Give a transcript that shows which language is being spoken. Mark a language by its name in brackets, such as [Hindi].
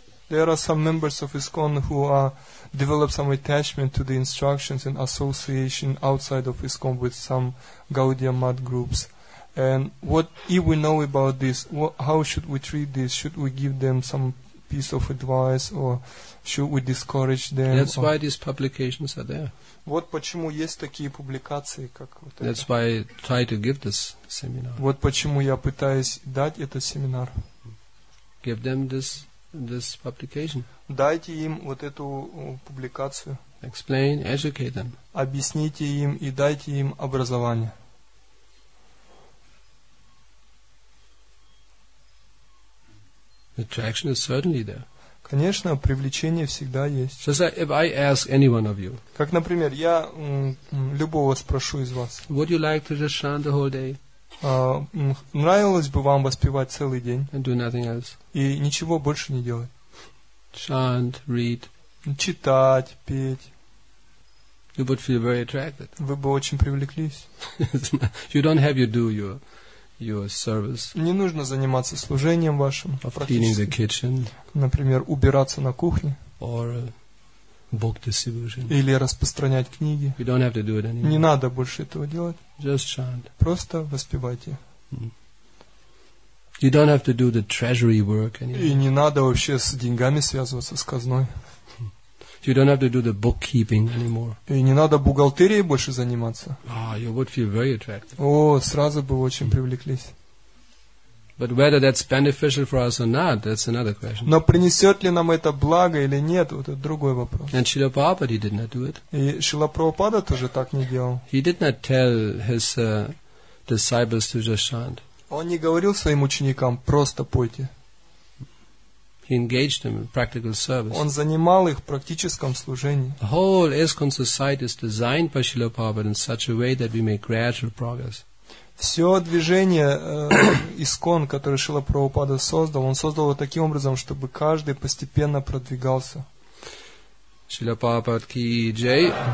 [English] There are some members of ISKCON who develop some attachment to the instructions and association outside of ISKCON with some Gaudiya Math groups. And what if we know about this, how should we treat this? Should we give them some piece of advice or should we discourage them? That's why these publications are there. [Russian] Вот почему есть такие публикации, как вот [English] That's [Russian] это. [English] Why I try to give this seminar. [Russian] Вот почему я пытаюсь дать этот семинар. [English] Give them this publication. [Russian] Дайте им вот эту публикацию. [English] Explain, educate them. [Russian] Объясните им и дайте им образование. [English] Attraction is certainly there. [Russian] Конечно, привлечение всегда есть. [English] So, sir, if I ask any one of you, [Russian] как, например, я любого спрошу из вас. [English] Would you like to just chant the whole day? [Russian] Нравилось бы вам воспевать целый день? [English] And do nothing else. [Russian] И ничего больше не делать? [English] Chant, read. [Russian] Читать, петь. [English] You would feel very attracted. [Russian] Вы бы очень привлеклись. [English] You don't have to do your service. [Russian] Не нужно заниматься служением вашим. [English] Of cleaning the kitchen. [Russian] Например, убираться на кухне. [English] Or book distribution. [Russian] Или распространять книги. [English] You don't have to do it anymore. [Russian] Не надо больше этого делать. [English] Just chant. [Russian] Просто воспевайте. [English] You don't have to do the treasury work anymore. [Russian] И не надо вообще с деньгами связываться, с казной. [English] You don't have to do the bookkeeping anymore. [Russian] И не надо бухгалтерией больше заниматься. [English] You would feel very attractive. [Russian] О, сразу бы очень привлеклись. [English] But whether that's beneficial for us or not, that's another question. [Russian] Но принесет ли нам это благо или нет, вот это другой вопрос. [English] And Srila Prabhupada, he did not do it. [Russian] И Шрила Прабхупада тоже так не делал. [English] He did not tell his disciples to just chant. [Russian] Он не говорил своим ученикам просто пойте. [English] He engaged them in practical service. [Russian] Он занимал их в практическом служении. [English] The whole ISKCON society is designed by Srila Prabhupada in such a way that we make gradual progress. [Russian] Все движение ИСККОН, которое Шрила Прабхупада создал, он создал его таким образом, чтобы каждый постепенно продвигался. Шрила Прабхупада ки джей.